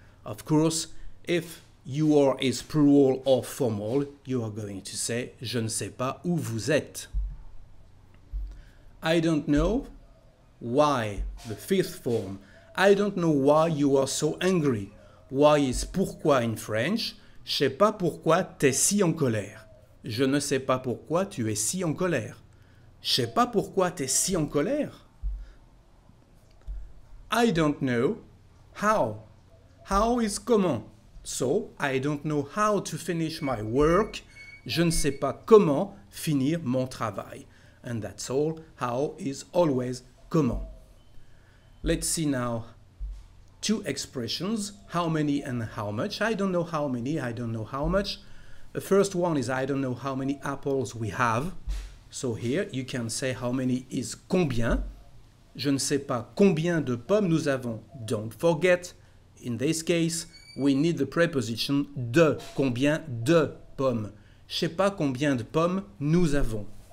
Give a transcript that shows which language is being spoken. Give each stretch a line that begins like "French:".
English: Of course, if you are is plural or formal, you are going to say,
French: je ne sais pas où vous êtes.
English: I don't know why, the fifth form. I don't know why you are so angry. Why is pourquoi in French.
French: Je sais pas pourquoi t'es si en colère. Je ne sais pas pourquoi tu es si en colère. Je sais pas pourquoi t'es si en colère.
English: I don't know how. How is comment. So, I don't know how to finish my work.
French: Je ne sais pas comment finir mon travail.
English: And that's all. How is always comment. Let's see now two expressions, how many and how much. I don't know how many, I don't know how much. The first one is I don't know how many apples we have. So here you can say how many is combien.
French: Je ne sais pas combien de pommes nous avons.
English: Don't forget, in this case, we need the preposition de,
French: combien de pommes. Je ne sais pas combien de pommes nous avons.